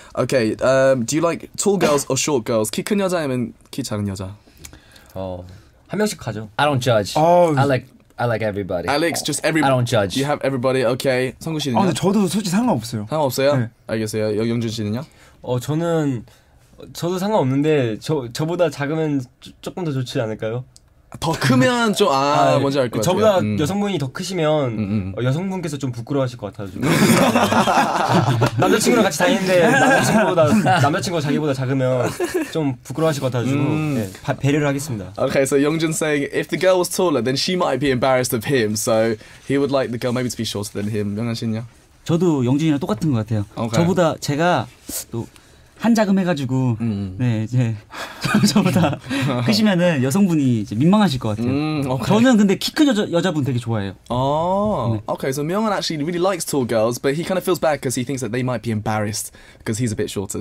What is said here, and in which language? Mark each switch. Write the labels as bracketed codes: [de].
[en] Okay, do you like tall girls or short girls? [ko] 키 큰 여자 아니면 키 작은 여자? 한 명씩 가죠. [en] I don't judge. Oh. I like everybody. Alex, just everybody. I don't judge. You have everybody, okay. [ko] 성구 씨는요? 아, 근데 저도 솔직히 상관없어요. 상관없어요? 네. 알겠어요. 영준 씨는요? 저는... 저도 상관없는데 저보다 작으면 조금 더 좋지 않을까요? 더 크면 좀 뭔지 알 것 같아요. 저보다 여성분이 더 크시면 여성분께서 좀 부끄러워하실 것 같아요. 남자친구랑 같이 다니는데 남자친구가 자기보다 작으면 좀 부끄러워하실 것 같아서 배려를 하겠습니다. [en] Okay, so Youngjun saying if the girl was taller, then she might be embarrassed of him. So he would like the girl maybe to be shorter than him. [ko] 명한 씨는요? 저도 영준이랑 똑같은 것 같아요. [en] Okay. [ko] 저보다 제가 또 한 자금 해가지고 네 이제 저보다 크시면은 여성분이 이제 민망하실 것 같아요. [en] Okay. [ko] 저는 근데 키 큰 여자분 되게 좋아해요. [en] Okay, so Myeon-han actually really likes tall girls, but he kind of feels bad because he thinks that they might be embarrassed because he's a bit shorter.